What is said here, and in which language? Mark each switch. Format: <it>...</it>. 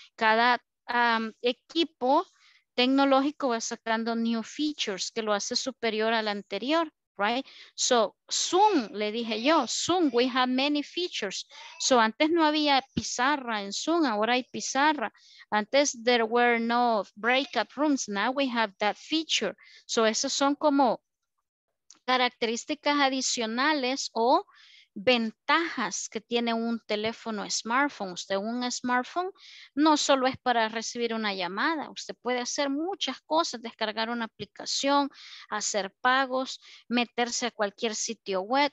<es>Cada equipo tecnológico va sacando</es> <en>new features</en> <es>que lo hace superior al anterior.</es> <en>Right, so Zoom,</en> <es>le dije yo,</es> <en>Zoom, we have many features.</en> <es>So antes no había pizarra en Zoom, ahora hay pizarra.</es> <en>Antes there were no breakout rooms, now we have that feature.</en> <es>So esas son como características adicionales o ventajas que tiene un teléfono smartphone. Usted un smartphone no solo es para recibir una llamada, usted puede hacer muchas cosas, descargar una aplicación, hacer pagos, meterse a cualquier sitio web.</es>